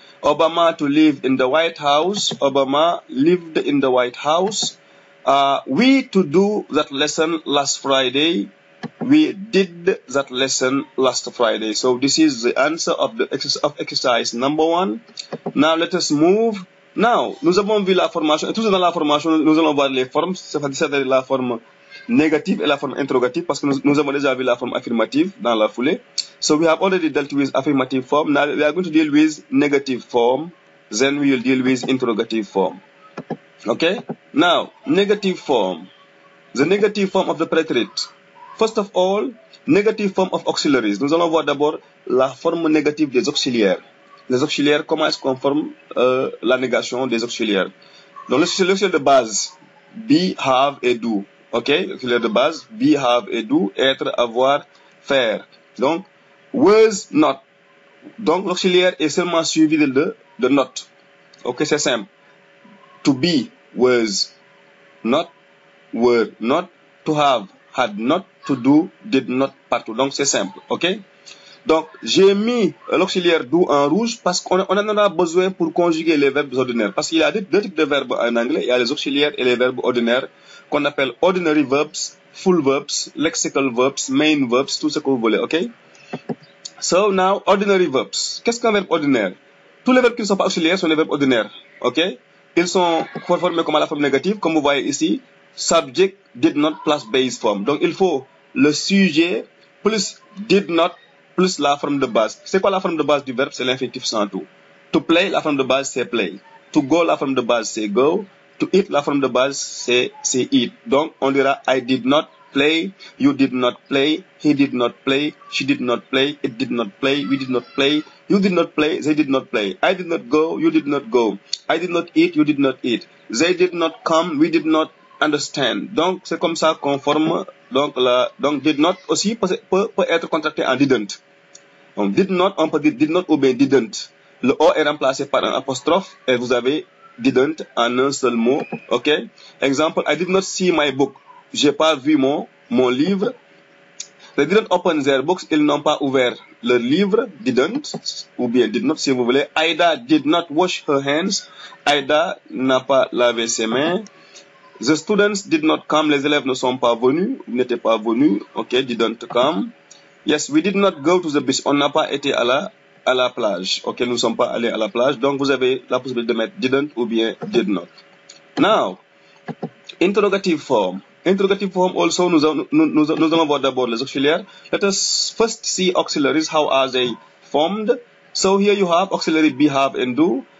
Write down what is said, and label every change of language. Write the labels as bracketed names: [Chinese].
[English] Obama to live in the White House, Obama lived in the White House. We to do that lesson last Friday, we did that lesson last Friday. So this is the answer of the exercise number one. Now let us move. [French] Now, nous avons vu la formation, et toujours dans la formation, nous allons voir les formes, c'est-à-dire la forme négative et la forme interrogative, parce que nous avons déjà vu la forme affirmative dans la foulée. [English] So we have already dealt with affirmative form. Now we are going to deal with negative form, then we will deal with interrogative form. Okay, now negative form, the negative form of the preterite. First of all, negative form of auxiliaries. [French] Nous allons voir d'abord la forme négative des auxiliaires. Les auxiliaires, comment est-ce qu'on forme la négation des auxiliaires? Donc, l'auxiliaire de base, be, have et do. Ok, l'auxiliaire de base, be, have et do, être, avoir, faire. Donc, was, not. Donc, l'auxiliaire est seulement suivi de not. Ok, c'est simple. [English] To be was not, were not, to have had not, to do did not, partout. [French] Donc c'est simple, ok? Donc j'ai mis l'auxiliaire do en rouge parce qu'on en a besoin pour conjuguer les verbes ordinaires. Parce qu'il y a deux types de verbes en anglais, il y a les auxiliaires et les verbes ordinaires qu'on appelle [English] ordinary verbs, full verbs, lexical verbs, main verbs, [French] tout ce que vous voulez, ok? [English] So now, ordinary verbs. [French] Qu'est-ce qu'un verbe ordinaire? Tous les verbes qui ne sont pas auxiliaires sont des verbes ordinaires, ok? Ils sont formés comme à la forme négative, comme vous voyez ici. [English] Subject did not plus base form. [French] Donc il faut le sujet plus did not plus la forme de base. C'est quoi la forme de base du verbe? C'est l'infinitif sans tout. To play, la forme de base c'est play. To go, la forme de base c'est go. To eat, la forme de base c'est eat. Donc on dira [English] I did not play, you did not play, he did not play, she did not play, it did not play, we did not play, you did not play, they did not play. I did not go, you did not go. I did not eat, you did not eat. They did not come, we did not understand. [French] Donc c'est comme ça qu'on forme. Donc did not aussi peut être contracté en didn't. Donc did not, on peut dire did not ou bien didn't. Le O est remplacé par un apostrophe et vous avez didn't en un seul mot. [English] Ok? Exemple, I did not see my book. [French] J'ai pas vu mon livre. [English] They didn't open their books. [French] Ils n'ont pas ouvert leur livre. Didn't. Ou bien [English] did not, [French] si vous voulez. [English] Aida did not wash her hands. [French] Aida n'a pas lavé ses mains. [English] The students did not come. [French] Les élèves ne sont pas venus. N'étaient pas venus. Ok, didn't come. [English] Yes, we did not go to the beach. [French] On n'a pas été à la plage. Ok, nous ne sommes pas allés à la plage. Donc, vous avez la possibilité de mettre didn't ou bien did not. [English] Now, interrogative form. Interrogative form also, [French] nous allons voir d'abord les auxiliaires. [English] Let us first see auxiliaries, how are they formed. So here you have auxiliary be, have and do.